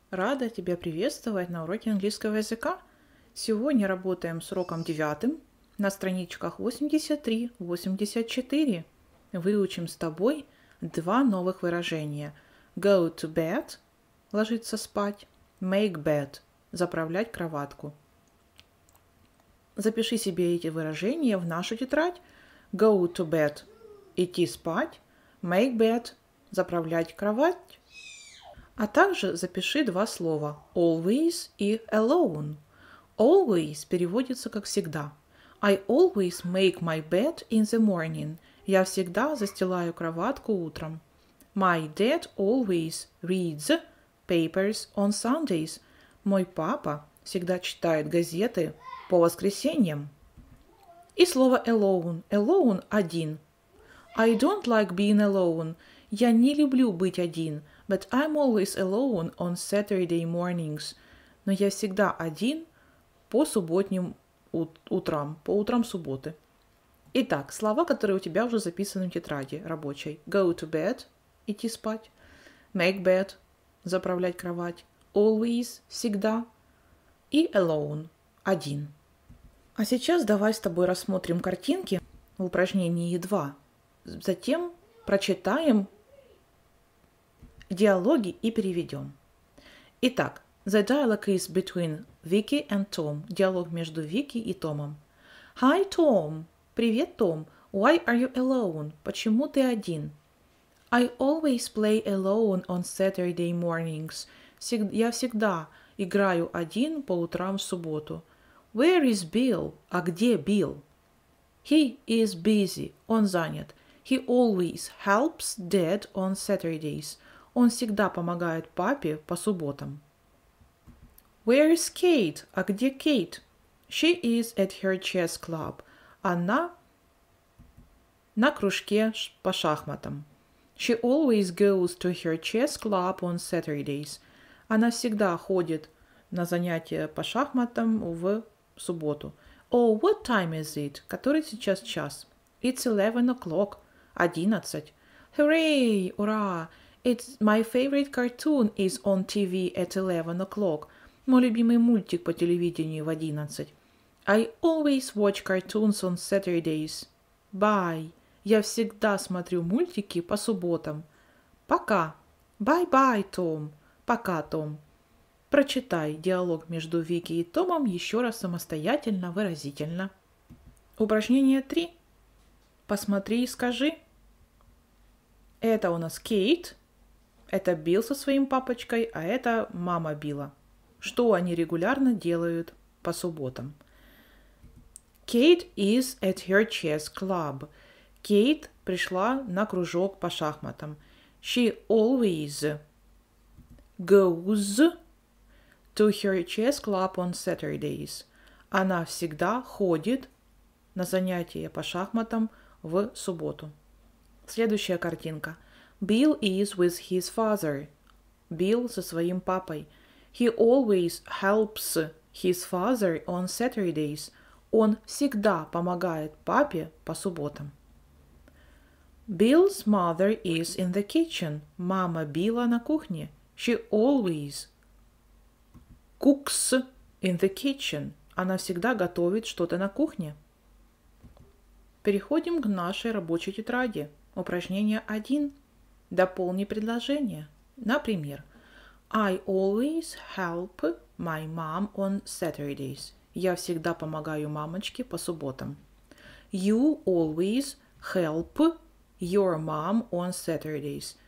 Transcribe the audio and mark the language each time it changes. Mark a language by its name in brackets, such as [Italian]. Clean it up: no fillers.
[Russian] Рада тебя приветствовать на уроке английского языка. Сегодня работаем с уроком 9 на страничках 83-84. Выучим с тобой два новых выражения. [English] Go to bed – [Russian] ложиться спать. [English] Make bed [Russian] – заправлять кроватку. Запиши себе эти выражения в нашу тетрадь. [English] Go to bed – [Russian] идти спать. [English] Make bed [Russian] – заправлять кровать. А также запиши два слова «always» и «alone». «Always» переводится как «всегда». [English] «I always make my bed in the morning». [Russian] «Я всегда застилаю кроватку утром». [English] «My dad always reads papers on Sundays». [Russian] «Мой папа всегда читает газеты по воскресеньям». И слово «alone». [English] «Alone» – [Russian] один. [English] «I don't like being alone». [Russian] «Я не люблю быть один». [English] But I'm always alone on Saturday mornings. [Russian] Но я всегда один по субботним утрам, по утрам субботы. Итак, слова, которые у тебя уже записаны в тетради рабочей. [English] Go to bed – идти спать. Make bed – [Russian] заправлять кровать. [English] Always – [Russian] всегда. И alone – один. А сейчас давай с тобой рассмотрим картинки в упражнении 2. Затем прочитаем диалоги и переведем. Итак, [English] the dialogue is between Vicky and Tom. [Russian] Диалог между Вики и Томом. [English] Hi, Tom. [Russian] Привет, Том. [English] Why are you alone? [Russian] Почему ты один? [English] I always play alone on Saturday mornings. [Russian] Я всегда играю один по утрам в субботу. [English] Where is Bill? [Russian] А где Билл? [English] He is busy. [Russian] Он занят. [English] He always helps Dad on Saturdays. [Russian] Он всегда помогает папе по субботам. [English] Where is Kate? [Russian] А где Kate? [English] She is at her chess club. [Russian] Она на кружке по шахматам. [English] She always goes to her chess club on Saturdays. [Russian] Она всегда ходит на занятия по шахматам в субботу. [English] Oh, what time is it? [Russian] Который сейчас час? [English] It's 11 o'clock. 11. Hooray! [Russian] Ура! [English] It's my favorite cartoon is on TV at 11 o'clock. [Russian] Мой любимый мультик по телевидению в 11. [English] I always watch cartoons on Saturdays. Bye. [Russian] Я всегда смотрю мультики по субботам. Пока. [English] Bye-bye, Tom. [Russian] Пока, Tom. Прочитай диалог между Вики и Томом еще раз самостоятельно, выразительно. Упражнение 3. Посмотри и скажи. Это у нас Кейт. Это Билл со своим папочкой, а это мама Билла. Что они регулярно делают по субботам? [English] Kate is at her chess club. [Russian] Кейт пришла на кружок по шахматам. [English] She always goes to her chess club on Saturdays. [Russian] Она всегда ходит на занятия по шахматам в субботу. Следующая картинка. [English] Bill is with his father. [Russian] Билл со своим папой. [English] He always helps his father on Saturdays. [Russian] Он всегда помогает папе по субботам. [English] Bill's mother is in the kitchen. [Russian] Мама Билла на кухне. [English] She always cooks in the kitchen. [Russian] Она всегда готовит что-то на кухне. Переходим к нашей рабочей тетради. Упражнение 1. Дополни предложение. Например, [English] I always help my mom on Saturdays. [Russian] Я всегда помогаю мамочке по субботам. [English] You always help your mom on Saturdays.